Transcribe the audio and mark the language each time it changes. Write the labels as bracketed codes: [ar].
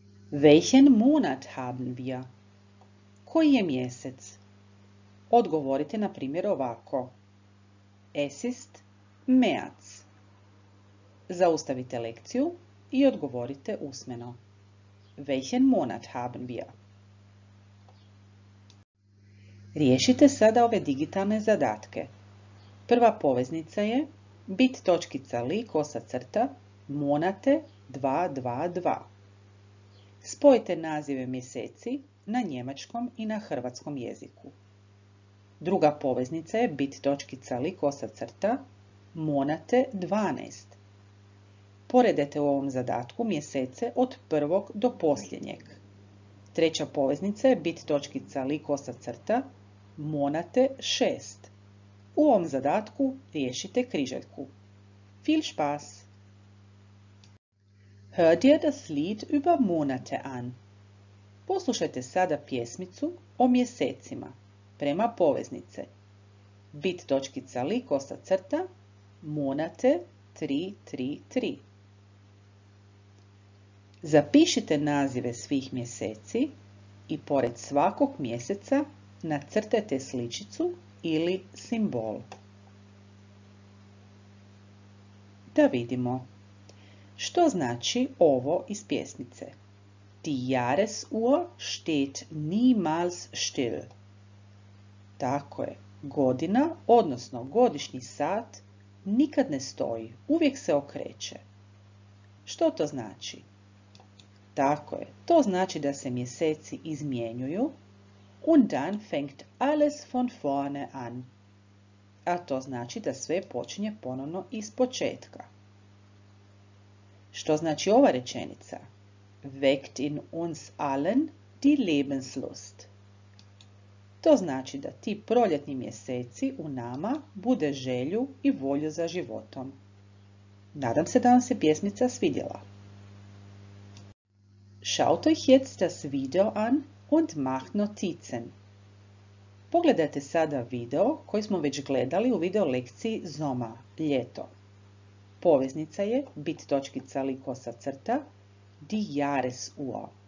[de] Welchen Monat haben wir? [hr] Koji je mjesec? Odgovorite na primjer ovako. [de] Es ist März. [hr] Zaustavite lekciju i odgovorite usmeno. [de] Welchen Monat haben wir? [hr] Riješite sada ove digitalne zadatke. Prva poveznica je bit točkica li kosa crta monate 222. Spojite nazive mjeseci na njemačkom i na hrvatskom jeziku. Druga poveznica je bit točkica li kosa crta monate 12. Poredite u ovom zadatku mjesece od prvog do posljednjeg. Treća poveznica je bit točkica li kosa crta monate 6. U ovom zadatku riješite križaljku. [de] Viel Spaß! Hör dir das Lied über Monate an. [hr] Poslušajte sada pjesmicu o mjesecima prema poveznice. Bit točkica li kosa crta monate 3-3-3. Zapišite nazive svih mjeseci i pored svakog mjeseca nacrtajte sličicu ili simbol. Da vidimo. Što znači ovo iz pjesmice? [de] Die Jahresuhr steht niemals still. [hr] Tako je. Godina, odnosno godišnji sat, nikad ne stoji, uvijek se okreće. Što to znači? Tako je. To znači da se mjeseci izmjenjuju. [de] Und dann fängt alles von vorne an. [hr] A to znači da sve počinje ponovno iz početka. Što znači ova rečenica? [de] Weckt in uns allen die Lebenslust. [hr] To znači da ti proljetni mjeseci u nama bude želju i volju za životom. Nadam se da vam se pjesmica svidjela. [de] Schaut euch jetzt das Video an und macht Notizen. [hr] Pogledajte sada video koji smo već gledali u video lekciji Zoma, ljeto. Poveznica je bit točkica li kosa crta die Jahresuhr.